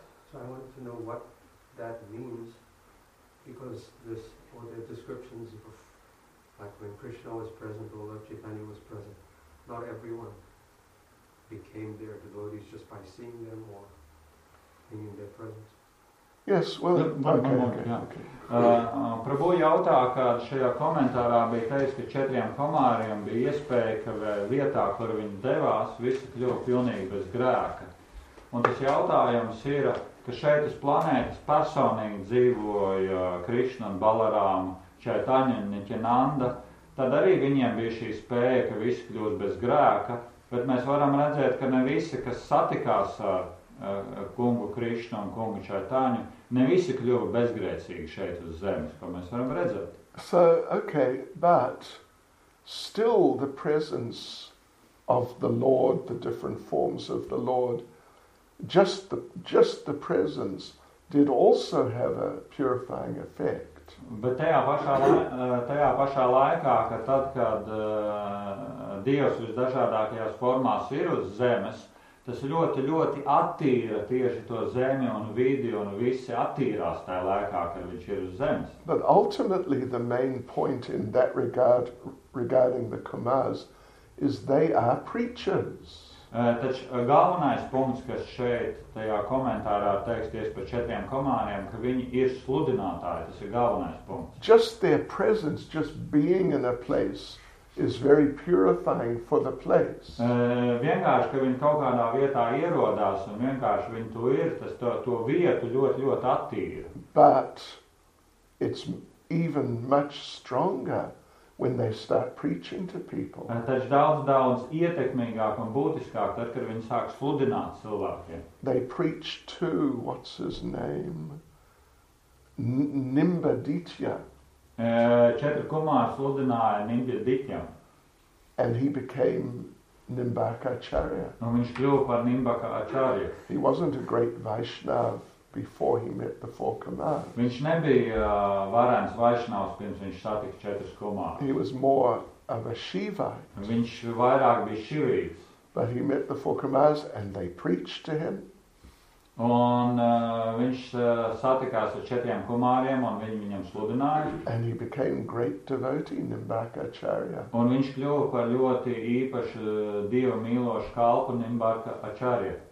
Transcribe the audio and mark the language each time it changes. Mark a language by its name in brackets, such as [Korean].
[English] So I wanted to know what that means, because this, or the descriptions of, like when Krishna was present, or Lord Chaitanya was present, not everyone became their devotees just by seeing them or being in their presence? Yes, well, [Latvian] Prabhu jautā, ka šajā komentārā bija teiks, ka četriem komāriem bija iespēja, ka vietā, kur viņi devās, visi kļuva pilnīgi bez grēka. Un tas jautājums ir, ka šeit uz planētas personīgi dzīvoja Krišna un Balarāma, Čaitaņa un Nityananda, tad arī viņiem bija šī spēja, ka visi kļūst bez grēka, bet mēs varam redzēt, ka ne visi, kas satikās ar kungu Krišnu un kungu Čaitaņu, ne visi kļuva bezgrēcīgi šeit uz zemes, ko mēs varam redzēt. [English] So, okay, but still the presence of the Lord, the different forms of the Lord, just the presence did also have a purifying effect. [Latvian] Bet tajā pašā laikā, kad tad, kad Dievs visdažādākajās formās ir uz zemes, tas ļoti, ļoti attīra tieši to zemi un vidi un visi attīrās tajā laikā, kad viņš ir uz zemes. [English] But ultimately the main point in that regard, regarding the Kumars, is they are preachers. [Latvian] Taču galvenais punkts, kas šeit tajā komentārā teiksties par četriem komāriem, ka viņi ir sludinātāji, tas ir galvenais punkts. [English] Just their presence, just being in a place is very purifying for the place. [Latvian] Vienkārši, ka viņi kaut kādā vietā ierodās un vienkārši viņi to ir, tas to vietu ļoti, ļoti attīra. [English] But it's even much stronger when they start preaching to people. [Latvian] Taču daudz, daudz ietekmīgāk un būtiskāk, tad, kad viņi sāk sludināt cilvēkiem. [English] They preach to, what's his name, Nimbaditya. [Latvian] Četri kumāri sludināja Nimbaditya. [English] And he became Nimbakacharya. [Latvian] Un viņš kļuva par Nimbakacharya. [English] He wasn't a great Vaishnava before he met the four Kumars. [Latvian] Viņš nebija varens Vaishnavs, pirms viņš satika četrus Kumārus. [English] He was more of a Shivite. [Latvian] Viņš vairāk bija Shivites. [English] But he met the four Kumars and they preached to him. [Latvian] Un viņš satikās ar četriem Kumāriem un viņi viņam sludināja. [English] And he became great devotee, Nimbakacharya. [Latvian] Un viņš kļuva par ļoti īpašu dievu mīlošu kalpu, Nimbakacharya.